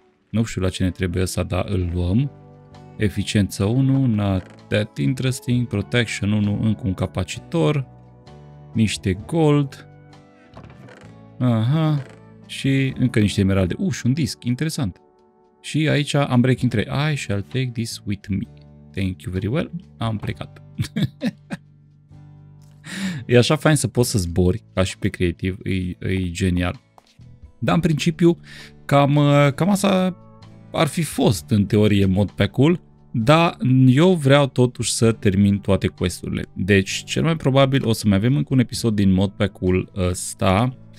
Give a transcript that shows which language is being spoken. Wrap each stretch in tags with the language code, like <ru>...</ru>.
<ro>Nu știu la ce ne trebuie ăsta, dar îl luăm. Eficiență 1,</ro> <en>not that interesting,</en> <ro>protection 1, încă un capacitor, niște gold, aha, și încă niște emeralde, și un disc, interesant. Și aici am breaking 3,</ro> <en>I shall take this with me, thank you very well,</en> <ro>am plecat. E așa fain să poți să zbori, ca și pe creativ, e genial. Dar în principiu, cam asta ar fi fost în teorie mod pack-ul. Da, eu vreau totuși să termin toate questurile. Deci, cel mai probabil o să mai avem încă un episod din modpack-ul ăsta.</ro>